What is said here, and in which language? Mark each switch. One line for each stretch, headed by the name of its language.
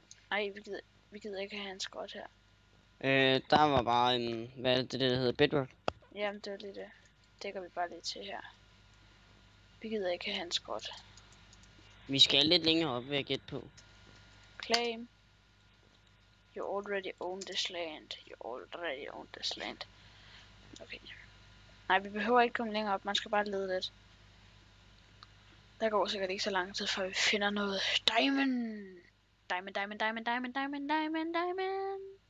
Danish: Ej, vi gider ikke have hans grot her. Der var bare en... Hvad er det, der hedder? Bedrock? Jamen, det var lige det. Dækker vi bare lidt til her. Vi gider ikke have hans grot. Vi skal lidt længere op, ved at gætte på.
English: Claim. You already own this land. You already own this land. Okay.
Danish: Nej, vi behøver ikke komme længere op. Man skal bare lede lidt. Der går sikkert ikke så lang tid, før vi finder noget diamond.
English: Diamond, diamond, diamond, diamond, diamond, diamond, diamond.